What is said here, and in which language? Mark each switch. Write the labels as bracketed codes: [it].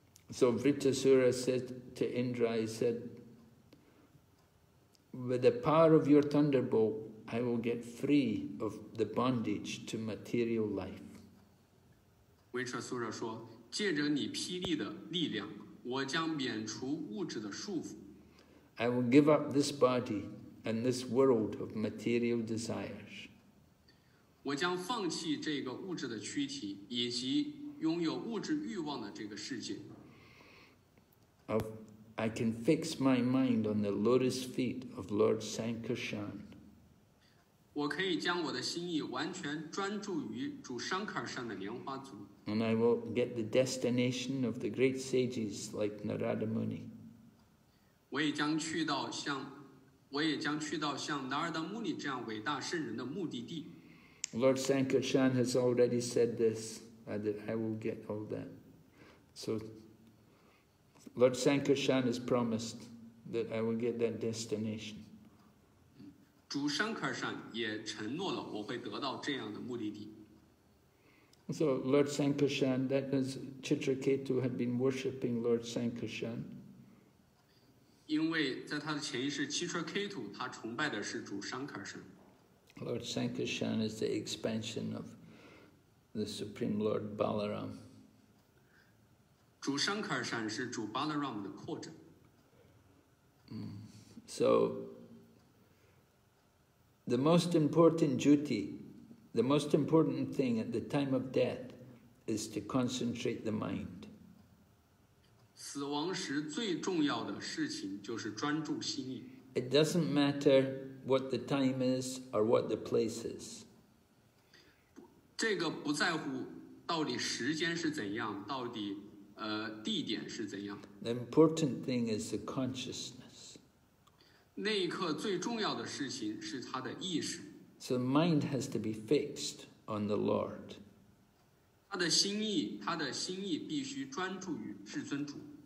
[en] So Vritasura said to Indra, he said, with the power of your thunderbolt, I will get free of the bondage to material life. [zh] Vishwasura 说，借着你霹雳的力量，我将免除物质的束缚。 [en] I will give up this body and this world of material desires. [zh] 我将放弃这个物质的躯体以及拥有物质欲望的这个世界。 [en] I can fix my mind on the lotus feet of Lord Sankarshan. [zh] 我可以将我的心意完全专注于主商卡山的莲花足。 [en] And I will get the destination of the great sages like Narada Muni. [zh] 我也将去到像 Narada Muni 这样伟大圣人的目的地。 [en] Lord Sankarshan has already said this, that I will get all that. So Lord Sankarshan has promised that I will get that destination. [zh] 主山卡山也承诺了我会得到这样的目的地。 [en] So Lord Sankarshan, that is Chitraketu had been worshipping Lord Sankarshan. [zh] 因为在他的前一世 Chitraketu 他崇拜的是主山卡山。 [en] Lord Sankarshan is the expansion of the Supreme Lord Balaram. [zh] 主山卡山是主 Balaram 的扩展。 [en] So the most important duty, the most important thing at the time of death is to concentrate the mind. [zh] 死亡时最重要的事情就是专注心意。 [en] It doesn't matter what the time is or what the place is. [zh] 这个不在乎到底时间是怎样，到底地点是怎样。 [en] The important thing is the consciousness. [zh] 那一刻最重要的事情是他的意识。 [en] So the mind has to be fixed on the Lord. [zh] 他的心意必须专注于至尊主。